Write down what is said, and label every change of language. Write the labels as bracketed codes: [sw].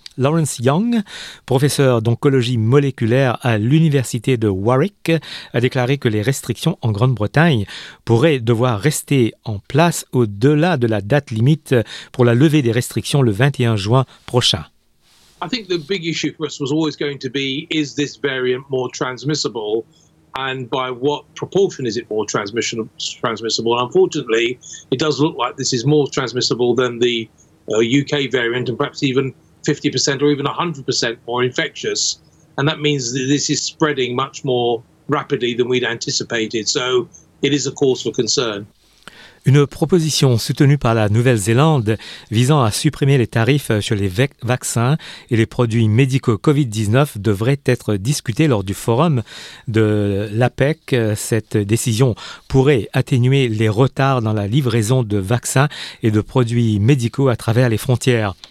[fr] Lawrence Young, professeur d'oncologie moléculaire à l'Université de Warwick, a déclaré que les restrictions en Grande-Bretagne pourraient devoir rester en place au-delà de la date limite pour la levée des restrictions le 21 juin prochain. [en] I think the big issue for us was always going to be, is this variant more transmissible? And by what proportion is it more transmissible? And unfortunately, it does look like this is more transmissible than the UK variant, and perhaps even 50% or even 100% more infectious. And that means that this is spreading much more rapidly than we'd anticipated. So it is a cause for concern. [fr] Une proposition soutenue par la Nouvelle-Zélande visant à supprimer les tarifs sur les vaccins et les produits médicaux COVID-19 devrait être discutée lors du forum de l'APEC. Cette décision pourrait atténuer les retards dans la livraison de vaccins et de produits médicaux à travers les frontières.